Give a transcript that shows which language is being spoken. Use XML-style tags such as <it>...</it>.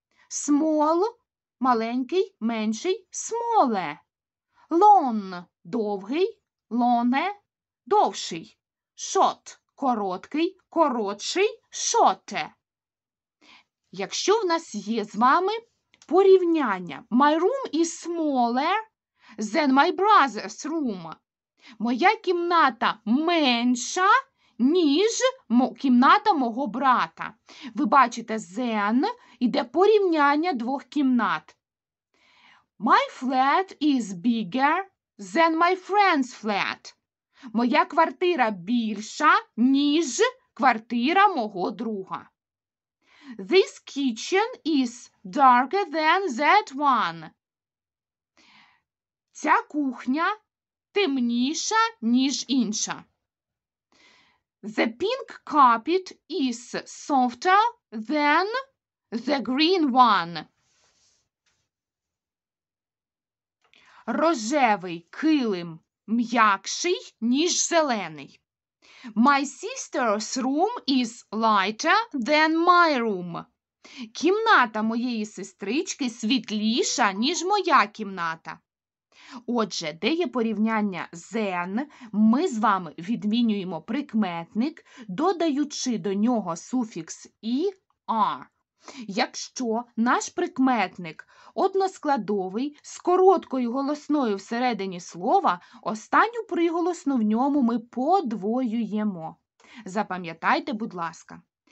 <uk>Small – маленький, менший, smaller. Long – довгий, longe – довший. Short – короткий, коротший, shorte. Якщо в нас є з вами порівняння.</uk> <en>My room is smaller than my brother's room.</en> <uk>Моя кімната менша, ніж кімната мого брата. Ви бачите, than іде порівняння двох кімнат.</uk> <en>My flat is bigger than my friend's flat.</en> <uk>Моя квартира більша, ніж квартира мого друга.</uk> <en>This kitchen is darker than that one.</en> <uk>Ця кухня темніша, ніж інша.</uk> <en>The pink carpet is softer than the green one.</en> <uk>Рожевий килим м'якший, ніж зелений.</uk> <en>My sister's room is lighter than my room.</en> <uk>Кімната моєї сестрички світліша, ніж моя кімната. Отже, де є порівняння than, ми з вами відмінюємо прикметник, додаючи до нього суфікс er. Якщо наш прикметник односкладовий з короткою голосною всередині слова, останню приголосну в ньому ми подвоюємо. Запам'ятайте, будь ласка.</uk>